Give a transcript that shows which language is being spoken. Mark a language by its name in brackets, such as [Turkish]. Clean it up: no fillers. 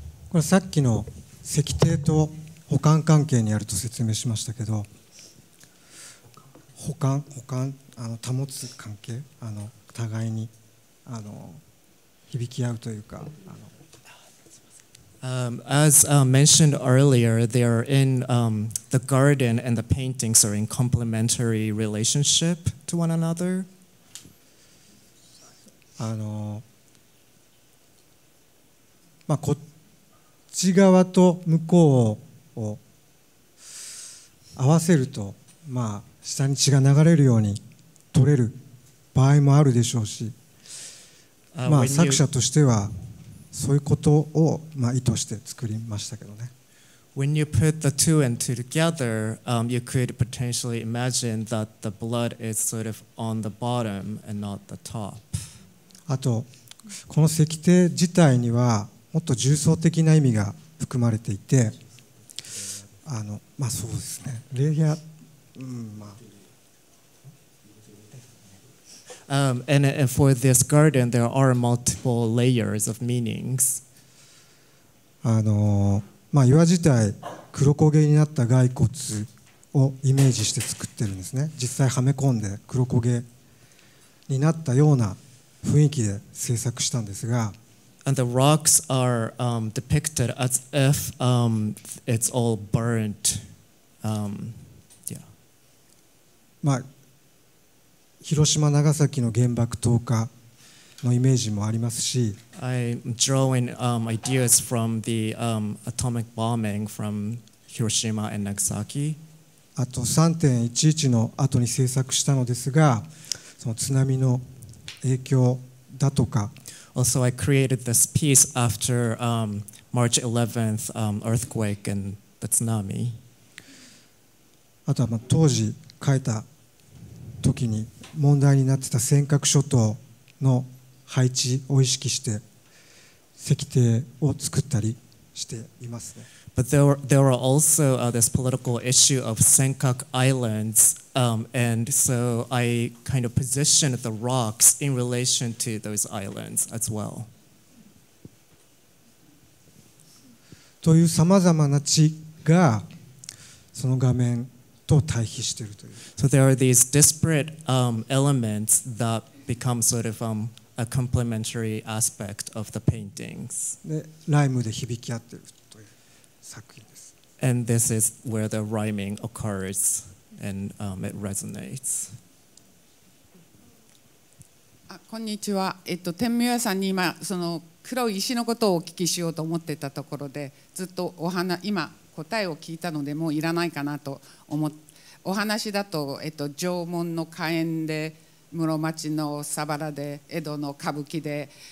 [Japanese] これさっきの石庭と保管関係にあると説明しましたけど、保管保つ関係、互いに響き合うというか、 [English] As mentioned earlier, they are in the garden and the paintings are in complementary relationship to one another. [Japanese] まあ、こっち側と向こうを合わせると、まあ下に血が流れるように取れる場合もあるでしょうし、まあ作者としてはそういうことをまあ意図して作りましたけどね。 [English] When you put the two and two together, you could potentially imagine that the blood is sort of on the bottom and not the top. [Japanese] あとこの石庭自体にはもっと重層的な意味が含まれていて、まあそうですね。レイヤー [English] And for this garden, there are multiple layers of meanings. [Japanese] まあ、岩自体黒焦げになった骸骨をイメージして作ってるんですね。実際はめ込んで黒焦げになったような雰囲気で制作したんですが。 [English] And the rocks are depicted as if it's all burnt. [Japanese] まあ、広島長崎の原爆投下のイメージもありますし、 [English] I'm drawing ideas from the atomic bombing from Hiroshima and Nagasaki. [Japanese] あと 3.11 の後に制作したのですが、その津波の影響だとか。 [English] Also, I created this piece after March 11th earthquake and the tsunami. [Japanese] あとはまあ当時書いた時に問題になってた尖閣諸島の配置を意識して石庭を作ったりしていますね。 [English] But there were also this political issue of Senkaku Islands, and so I kind of positioned the rocks in relation to those islands as well. [Japanese] という様々な地がその画面と対比しているという。 [English] So there are these disparate elements that become sort of a complementary aspect of the paintings. [Japanese] で、ライムで響き合っているという作品です。 [English] And this is where the rhyming occurs and it resonates. [Japanese] あ、こんにちは。天宮屋さんに今その黒い石のことをお聞きしようと思ってたところで、ずっとお話、今答えを聞いたのでもういらないかなと思っ、お話だと、縄文の火炎で、室町のサバラで、江戸の歌舞伎で、